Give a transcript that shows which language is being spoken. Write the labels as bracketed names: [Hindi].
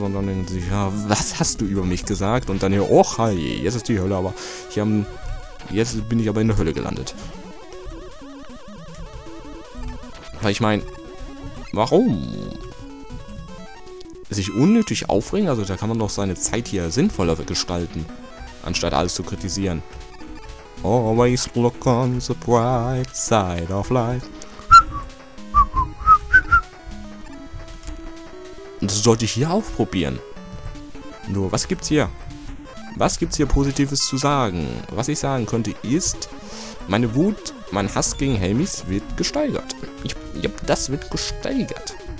[German] Und dann denken sie, ja, was hast du über mich gesagt? Und dann hier, oh, hey, jetzt ist die Hölle, aber ich habe... Jetzt bin ich aber in der Hölle gelandet. Weil ich meine, warum? Sich unnötig aufregen? Also da kann man doch seine Zeit hier sinnvoller gestalten. Anstatt alles zu kritisieren. [English] Always look on the bright side of life. [German] Das sollte ich hier auch probieren. Nur, was gibt's hier? Was gibt's hier Positives zu sagen? Was ich sagen könnte ist, meine Wut, mein Hass gegen Helmis wird gesteigert. Das wird gesteigert.